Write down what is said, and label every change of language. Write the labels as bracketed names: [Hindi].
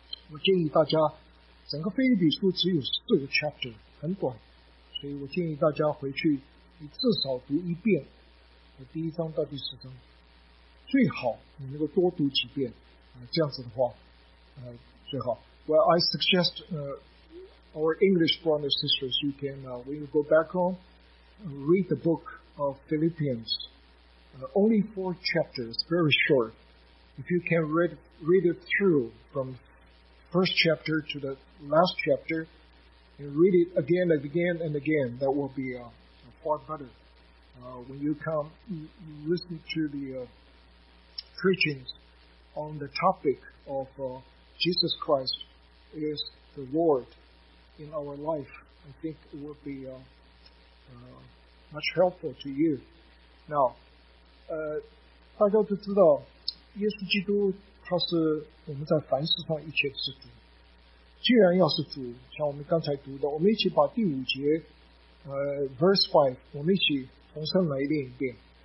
[Chinese] 我建议大家，整个腓立比书只有四个 chapter， 很短，所以我建议大家回去你至少读一遍第一章到第十章，最好你能够多读几遍，这样子的话最好。 [English] Well, I suggest our English brothers and sisters, you can, when you go back home, read the book of Philippians. Only four chapters, very short. If you can read it through from first chapter to the last chapter, and read it again and again and again, that will be far better. When you come, you listen to the preachings on the topic of Jesus Christ is the Lord in our life, I think it will be much helpful to you. [Chinese] Now, 大家都知道耶稣基督他是我们在凡事上一切是主。既然要是主，像我们刚才读的，我们一起把第五节verse 5我们一起重新来练一遍。